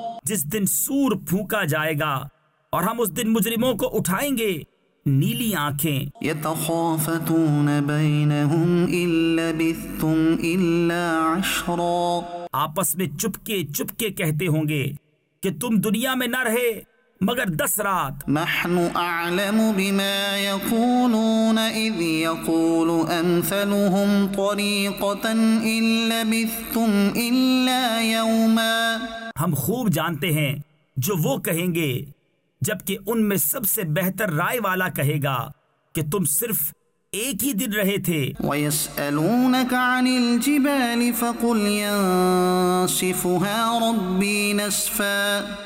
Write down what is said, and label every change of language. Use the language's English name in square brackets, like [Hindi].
[Urdu] جس دن سور پھونکا جائے گا اور ہم اس دن مجرموں کو اٹھائیں گے نیلی آنکھیں [Arabic] یتخافتون بینہم الا بثتم الا عشرا [Urdu] آپس میں چپکے چپکے کہتے ہوں گے کہ تم دنیا میں نہ رہے مگر 10 رات [Arabic] نحن اعلم بما يقولون اذ يقول امثلهم طريقة الا بثتم الا يوما [Urdu] ہم خوب جانتے ہیں جو وہ کہیں گے جبکہ ان میں سب سے بہتر رائے والا کہے گا کہ تم صرف ایک ہی دن رہے تھے [Arabic] وَيَسْأَلُونَكَ عَنِ الْجِبَالِ فَقُلْ يَنْسِفُهَا رَبِّي نَسْفًا